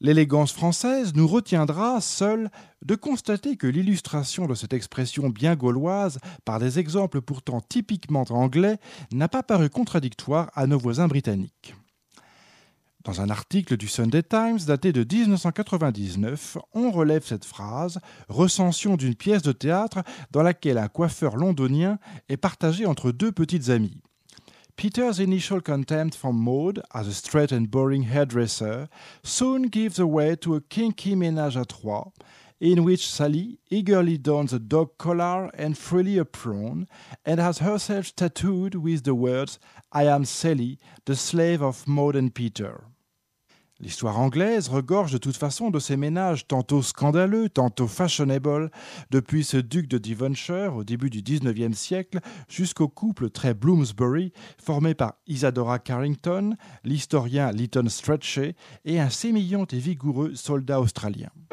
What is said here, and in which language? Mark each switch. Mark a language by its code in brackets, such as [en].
[fr] L'élégance française nous retiendra seule de constater que l'illustration de cette expression bien gauloise par des exemples pourtant typiquement anglais n'a pas paru contradictoire à nos voisins britanniques. Dans un article du Sunday Times daté de 1999, on relève cette phrase, recension d'une pièce de théâtre dans laquelle un coiffeur londonien est partagé entre deux petites amies. [en] Peter's initial contempt for Maud as a straight and boring hairdresser soon gives way to a kinky ménage à trois, in which Sally eagerly dons a dog collar and frilly apron and has herself tattooed with the words I am Sally, the slave of Maud and Peter. [fr] L'histoire anglaise regorge de toute façon de ces ménages tantôt scandaleux, tantôt fashionable, depuis ce duc de Devonshire au début du XIXe siècle jusqu'au couple très Bloomsbury formé par Isadora Carrington, l'historien Lytton Strachey et un sémillant et vigoureux soldat australien.